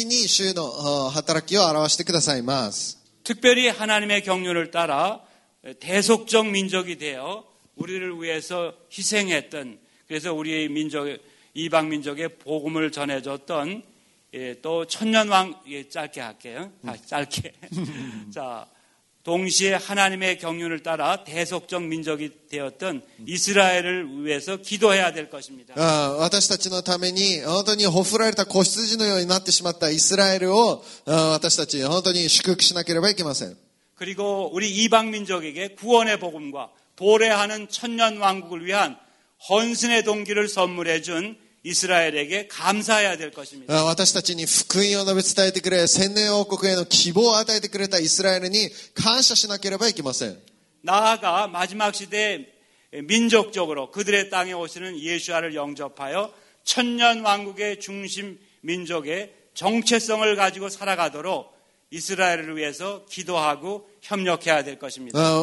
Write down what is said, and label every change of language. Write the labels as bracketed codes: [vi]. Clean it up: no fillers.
[ja] 最後の終わりの日というのはもちろん個人的にも働かれますけれども国家的に民族的に主の働きを表してくださいます。 [ko] 특별히 하나님의 경륜을 따라 대속적 민족이 되어 우리를 위해서 희생했던 그래서 우리 민족 이방 민족의 복음을 전해줬던 예, 또 천년왕 예, 짧게 할게요. 짧게 자 동시에 하나님의 경륜을 따라 대속적 민족이 되었던 이스라엘을 위해서 기도해야 될 것입니다. [ja] 私たちのために本当に호프라れた子羊のようになってしまったイスラエルを私たち本当に祝福しなければいけません。 [ko] 그리고 우리 이방 민족에게 구원의 복음과 도래하는 천년 왕국을 위한 헌신의 동기를 선물해 준 이스라엘에게 감사해야 될 것입니다. [ja] 私たちに福音を述べ伝えてくれ千年王国への希望を与えてくれたイスラエルに感謝しなければいけません。 [ko] 나아가 마지막 시대에 민족적으로 그들의 땅에 오시는 예수아를 영접하여 천년 왕국의 중심 민족의 정체성을 가지고 살아가도록 이스라엘을 위해서 기도하고 협력해야 될 것입니다.